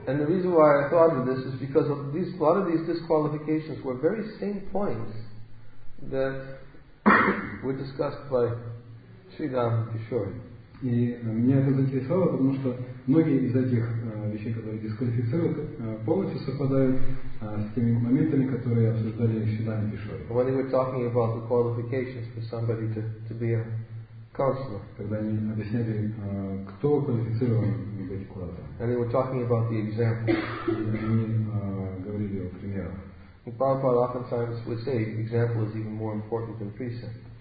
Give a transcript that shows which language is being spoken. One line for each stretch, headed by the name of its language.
English: And the reason why I thought of this is because of these, a lot of these disqualifications were very same points that were discussed by Sri Dham Kishori.
Russian: И меня это заинтересовало, потому что многие из этих вещей, которые дисквалифицируют, полностью совпадают с теми моментами, которые обсуждали Sri Dham Kishori.
English: When they were talking about the qualifications for somebody to be a counselor.
Russian: Когда они объясняли, кто квалифицирован.
English: And they were talking about the example. And Prabhupada oftentimes would say the example is even more important than precept.